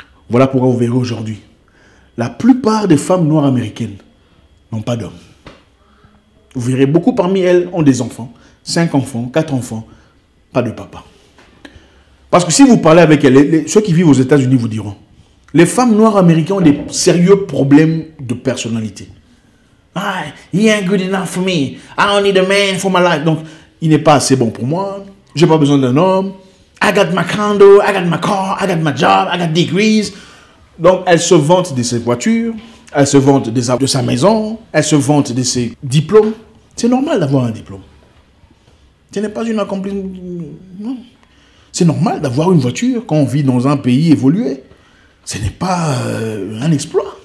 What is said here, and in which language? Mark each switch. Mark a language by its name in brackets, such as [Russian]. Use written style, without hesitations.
[French] Voilà pourquoi vous verrez aujourd'hui, la plupart des femmes noires américaines n'ont pas d'hommes. Vous verrez, beaucoup parmi elles ont des enfants, 5 enfants, 4 enfants, pas de papa. Parce que si vous parlez avec elles, ceux qui vivent aux États-Unis vous diront, les femmes noires américaines ont des sérieux problèmes de personnalité. [English] Ah, he ain't good enough for me. I don't need a man for my life. [French] Donc, il n'est pas assez bon pour moi. J'ai pas besoin d'un homme. [English] I got my condo, I got my car, I got my job, I got degrees. [French] Donc, elle se vante de ses voitures, elle se vante de sa maison, elle se vante de ses diplômes. C'est normal d'avoir un diplôme. Ce n'est pas une accomplissement. Non. C'est normal d'avoir une voiture quand on vit dans un pays évolué. Ce n'est pas un exploit.